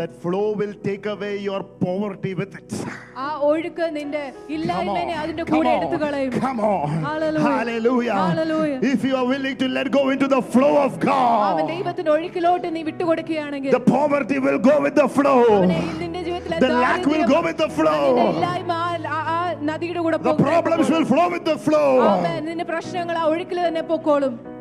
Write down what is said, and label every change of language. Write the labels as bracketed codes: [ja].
[en] That flow will take away your poverty with it. [ml] ആ ഒഴുക്ക് നിന്റെ ഇല്ലായ്മയെ അതിന്റെ കൂടെ എടുത്തു കളയും. [en] Come on. Hallelujah. Hallelujah. Hallelujah. If you are willing to let go into the flow of God. [ml] ആമേൻ. ദൈവത്തിന്റെ ഒഴുക്കിലോട്ട് നീ വിട്ടു കൊടുക്കുകയാണെങ്കിൽ. [en] The poverty will go with the flow. The lack will go with the flow. The problems will flow with the flow. Amen. [ml] നിന്റെ പ്രശ്നങ്ങൾ ആ ഒഴുക്കിൽ തന്നെ പോകോളും.